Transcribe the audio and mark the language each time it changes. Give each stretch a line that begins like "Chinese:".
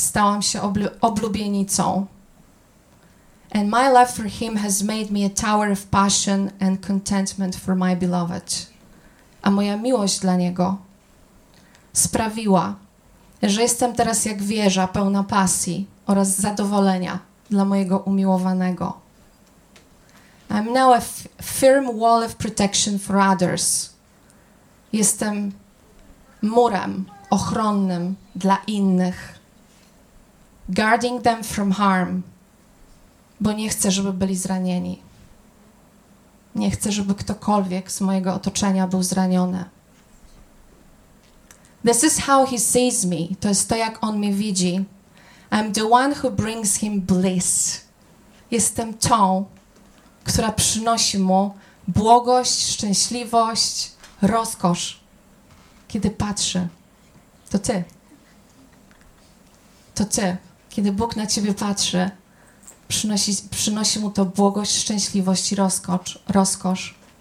Polish: Stałam się oblubienicą.
English: And my love for him has made me a tower of passion and contentment for my beloved.
Polish: A moja miłość dla niego sprawiła, że jestem teraz jak wieża pełna pasji oraz zadowolenia dla mojego umiłowanego.
English: I'm now a firm wall of protection for others.
Polish: Jestem murem ochronnym dla innych.
English: Guarding them from harm.
Polish: Bo nie chcę, żeby byli zranieni. Nie chcę, żeby ktokolwiek z mojego otoczenia był zraniony.
English: This is how he sees me.
Polish: To jest to, jak on mnie widzi.
English: I'm the one who brings him bliss.
Polish: Jestem tą, która przynosi mu błogość, szczęśliwość, rozkosz. Kiedy patrzy, to ty. To ty. Kiedy Bóg na ciebie patrzy, przynosi mu to błogość, szczęśliwość i rozkosz.